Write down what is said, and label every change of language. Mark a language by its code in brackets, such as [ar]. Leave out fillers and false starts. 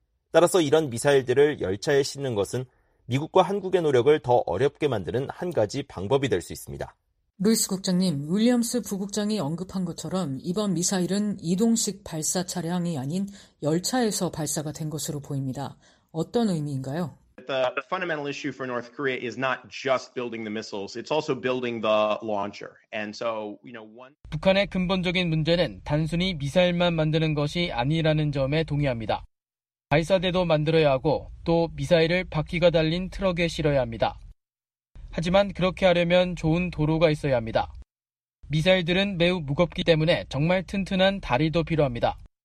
[ko] 따라서 이런 미사일들을 열차에 싣는 것은 미국과 한국의 노력을 더 어렵게 만드는 한 가지 방법이 될 수 있습니다. 루이스 국장님, 윌리엄스 부국장이 언급한 것처럼 이번 미사일은 이동식 발사 차량이 아닌 열차에서 발사가 된 것으로 보입니다. 어떤 의미인가요? [en] The fundamental issue for North Korea is not just building the missiles, it's also building the launcher. And so, you know, one [ko] 북한의 근본적인 문제는 단순히 미사일만 만드는 것이 아니라는 점에 동의합니다. 발사대도 만들어야 하고 또 미사일을 바퀴가 달린 트럭에 실어야 합니다. 하지만 그렇게 하려면 좋은 도로가 있어야 합니다. 미사일들은 매우 무겁기 때문에 정말 튼튼한 다리도 필요합니다.